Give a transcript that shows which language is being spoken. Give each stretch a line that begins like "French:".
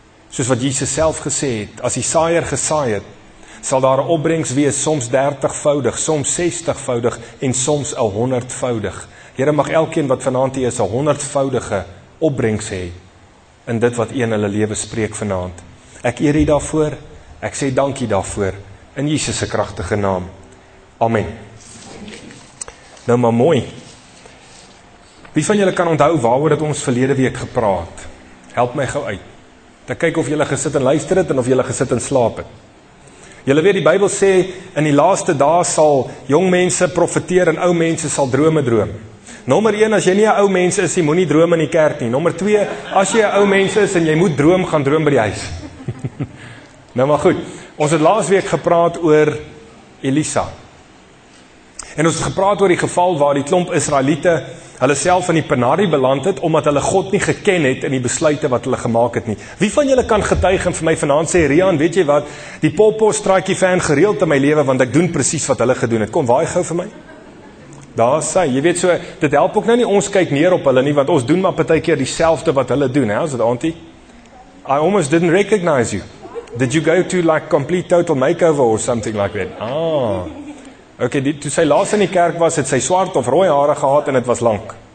Afrikaans: Soos wat Jesus self gesê het, as die saaier gesaai het, sal daar opbrengs wees soms 30-voudig, soms 60-voudig en soms 100-voudig. Here, mag elkeen wat vanaand hier is 100-voudige opbrengs hê in dit wat een hulle lewe spreek vanaand. Ek eer U daarvoor. Ek sê dankie daarvoor in Jesus se kragtige naam. Amen. Nou maar mooi. Wie van julle kan onthou waaroor het ons verlede week gepraat? Help my gou uit. Dan kyk of julle gesit en luister het en of julle gesit en slaap het. Julle weet die Bybel sê, in die laaste dae sal jong mense profeteer en ou mense sal drome droom. Nommer 1, as jy nie 'n ou mens is, jy moet nie droom in die kerk nie. Nommer 2, as jy 'n ou mens is en jy moet droom, gaan droom by die huis. Nou maar goed, ons het laas week gepraat oor Elisa. En ons het gepraat oor die geval waar die klomp Israeliete hulle self in die penarie beland het, omdat hulle God nie geken het in die besluite wat hulle gemaak het nie. Wie van julle kan getuig en vir my vanaand sê, Rian, weet jy wat, die popo straatjie fan gereeld in my lewe, want ek doen precies wat hulle gedoen het. Kom, waai gou vir my. Daar is sy. Jy weet so, dit help ook nou nie, ons kyk neer op hulle nie, want ons doen maar partykeer dieselfde wat hulle doen, hè, is dit auntie?
English: I almost didn't recognize you. Did you go to like complete total makeover or something like that?
Afrikaans: Okay, toe sy laas in die kerk was, het sy swart of rooi hare gehad en het was lank.